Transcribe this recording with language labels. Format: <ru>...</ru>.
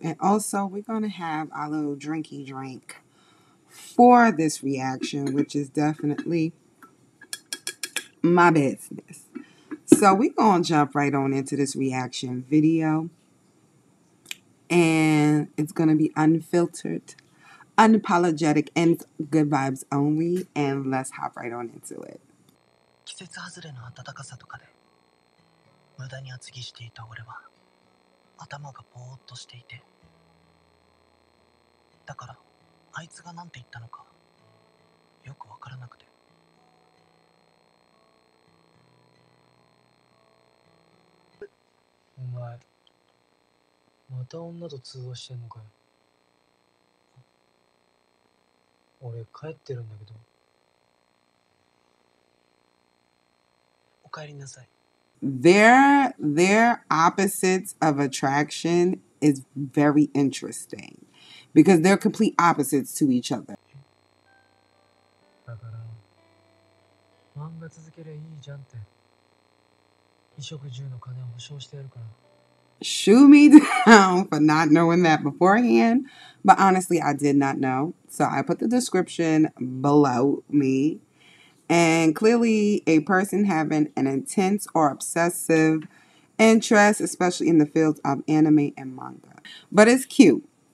<en>And also, we're going to have our little drinky drink for this reaction, which is definitely my business. So we're going to jump right on into this reaction video. And it's going to be unfiltered, unapologetic, and good vibes only, and let's hop right on into it.</en> <ja>季節外れの暖かさとかで無駄に厚着していた俺は頭がぼーっとしていて、だからあいつが何て言ったのかよく分からなくて、お前また女と通話してんのかよ。俺帰ってるんだけど。お帰りなさい。</ja> <en>Their opposites of attraction is very interesting because they're complete opposites to each other.</en> <ja>だから漫画続けりゃいいじゃんって、衣食住の金を保証してやるから。</ja> <en>Shoo me down for not knowing that beforehand. But honestly, I did not know. So I put the description below me. And clearly, a person having an intense or obsessive interest, especially in the fields of anime and manga. But it's cute.</en>